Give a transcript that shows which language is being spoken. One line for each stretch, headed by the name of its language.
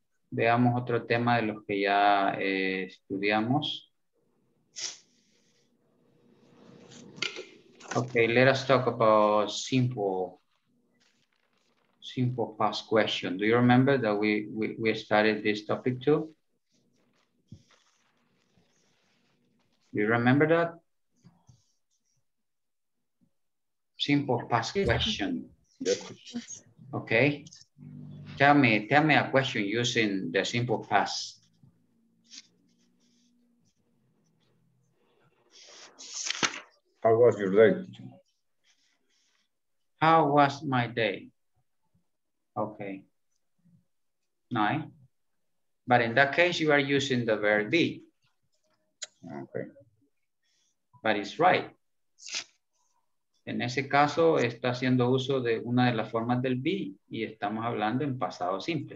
Spanish: Veamos otro tema de los que ya estudiamos.
English: Okay, let us talk about simple past question. Do you remember that we started this topic too? Do you remember that? Simple past question. Okay. Tell me a question using the simple past. How was your day? How was my day? Okay. Nice. But in that case, you are using the verb be. Okay. But it's right.
Spanish: En ese caso, está haciendo uso de una de las formas del be y estamos hablando en pasado simple.